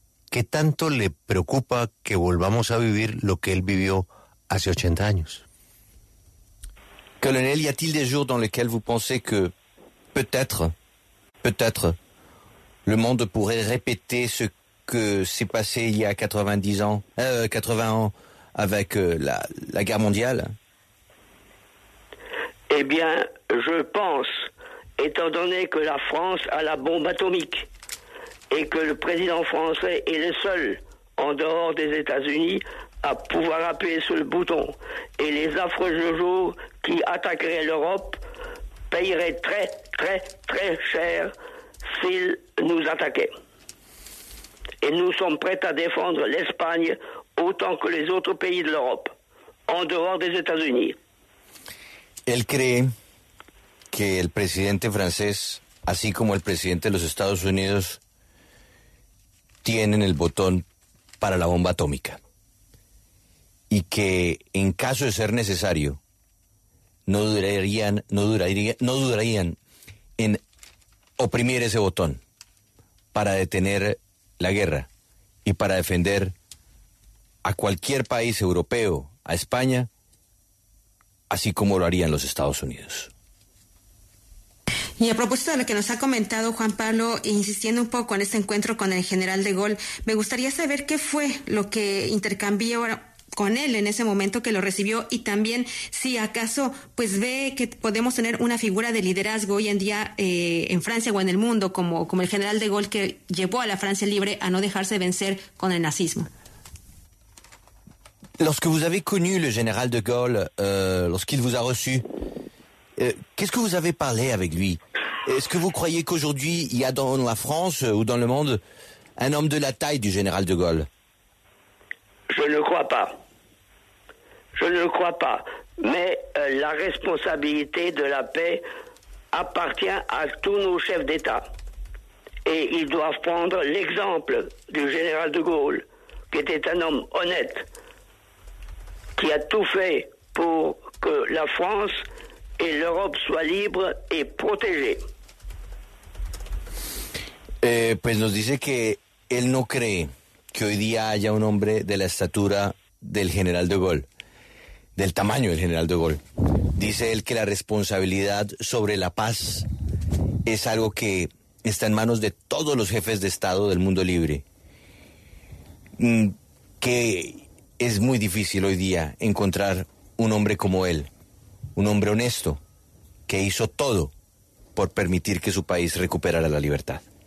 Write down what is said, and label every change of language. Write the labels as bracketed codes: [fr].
[es] ¿Qué tanto le preocupa que volvamos a vivir lo que él vivió hace 80 años? [fr] Colonel, ¿y a-t-il des jours dans lesquels vous pensez que peut-être, le monde pourrait répéter ce que s'est passé il y a 80 ans avec la guerre mondiale? Eh bien, je pense, étant donné que la France a la bombe atomique, et que le président français est le seul, en dehors des États-Unis, à pouvoir appuyer sur le bouton. Et les affreux jours qui attaqueraient l'Europe paieraient très, très, très cher s'ils nous attaquaient. Et nous sommes prêts à défendre l'Espagne autant que les autres pays de l'Europe, en dehors des États-Unis. Il croit que le président français, ainsi que le président des États-Unis, [es] tienen el botón para la bomba atómica y que en caso de ser necesario no dudarían en oprimir ese botón para detener la guerra y para defender a cualquier país europeo, a España, así como lo harían los Estados Unidos. Y a propósito de lo que nos ha comentado Juan Pablo, insistiendo un poco en este encuentro con el general de Gaulle, me gustaría saber qué fue lo que intercambió con él en ese momento que lo recibió y también si acaso pues ve que podemos tener una figura de liderazgo hoy en día en Francia o en el mundo como el general de Gaulle que llevó a la Francia libre a no dejarse vencer con el nazismo. [fr] Lorsque vous avez connu le général de Gaulle, lorsqu'il vous a reçu, qu'est-ce que vous avez parlé avec lui? Est-ce que vous croyez qu'aujourd'hui, il y a dans la France ou dans le monde un homme de la taille du général de Gaulle? Je ne crois pas. Je ne crois pas. Mais la responsabilité de la paix appartient à tous nos chefs d'État. Et ils doivent prendre l'exemple du général de Gaulle, qui était un homme honnête, qui a tout fait pour que la France et l'Europe soit libre et protégée. [es] Pues nos dice que él no cree que hoy día haya un hombre de la estatura del general de Gaulle, del tamaño del general de Gaulle. Dice él que la responsabilidad sobre la paz es algo que está en manos de todos los jefes de Estado del mundo libre, que es muy difícil hoy día encontrar un hombre como él, un hombre honesto que hizo todo por permitir que su país recuperara la libertad.